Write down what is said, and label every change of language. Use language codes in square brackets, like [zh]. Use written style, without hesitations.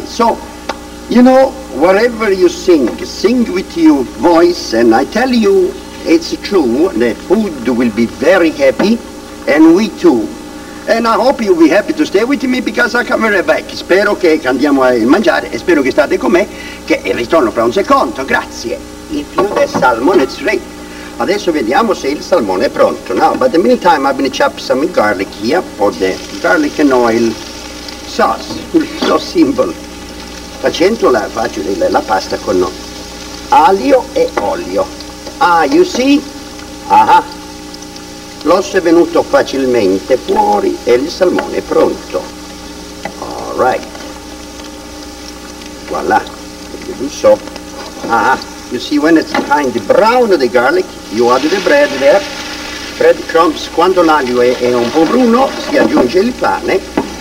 [en] So, you know, whatever you sing with your voice, and I tell you, it's true, the food will be very happy, and we too. And I hope you'll be happy to stay with me because I come right back. [it] Spero che andiamo a mangiare e spero che state con me, che il ritorno fra un secondo, grazie. [en] If you the salmon, it's ready. [it] Adesso vediamo se il salmone è pronto. [en] Now, but in the meantime, I've been chopping some garlic here for the garlic and oil sauce. So simple. [it] Facendo la faccio la pasta con aglio e olio. [en] Ah, you see? [it] Aha. L'osso è venuto facilmente fuori e il salmone è pronto. [en] All right. Voilà. So. Aha. You see, when it's kind of brown, the garlic, you add the bread there. Bread crumbs, [it] quando l'aglio è un po' bruno, si aggiunge il pane.